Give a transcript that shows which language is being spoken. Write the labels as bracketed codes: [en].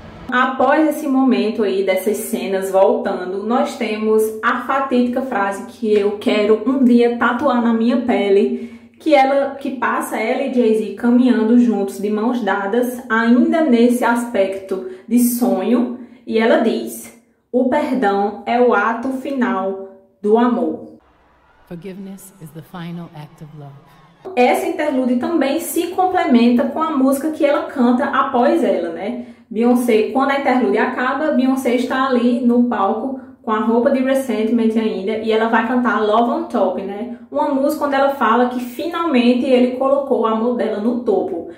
[pt] Após esse momento aí, dessas cenas voltando, nós temos a fatídica frase que eu quero um dia tatuar na minha pele, que passa ela e Jay-Z caminhando juntos de mãos dadas, ainda nesse aspecto de sonho, e ela diz: o perdão é o ato final do amor. [en] Forgiveness is the final act of love. [pt] Essa interlude também se complementa com a música que ela canta após ela, né? Beyoncé, quando a interlude acaba, Beyoncé está ali no palco com a roupa de Resentment ainda, e ela vai cantar Love on Top, né? Uma música onde ela fala que finalmente ele colocou o amor dela no topo.